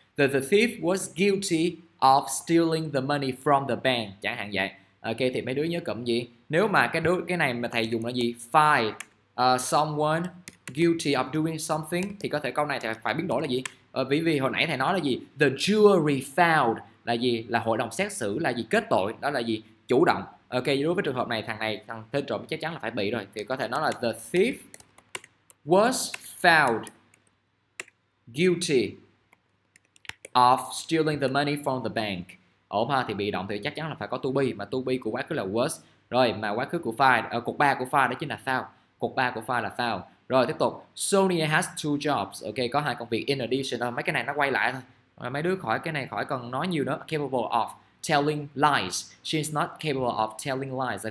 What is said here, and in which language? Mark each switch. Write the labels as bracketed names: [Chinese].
[English] The thief was guilty of stealing the money from the bank, [Vietnamese] chẳng hạn vậy. Ok, thì mấy đứa nhớ cụm gì? Nếu mà cái này mà thầy dùng là gì? [English] Find someone guilty of doing something [Vietnamese] thì có thể câu này thầy phải biến đổi là gì? Vì hồi nãy thầy nói là gì? [English] The jury found [Vietnamese] là gì? Là hội đồng xét xử là gì? Kết tội, đó là gì? Chủ động. Ok, đối với trường hợp này thằng tên trộm chắc chắn là phải bị rồi. Thì có thể nói là [English] the thief was found guilty of stealing the money from the bank. [Vietnamese] Ổn ha, thì bị động thì chắc chắn là phải có to be, mà to be của quá khứ là was. Rồi, mà quá khứ của file, cột 3 của file đó chính là found. Cột 3 của file là found. Rồi, tiếp tục. [English] Sonia has two jobs. [Vietnamese] Ok, có hai công việc. In addition, mấy cái này nó quay lại thôi. Mấy đứa khỏi cái này, khỏi còn nói nhiều nữa. [English] Capable of telling lies. She's not capable of telling lies.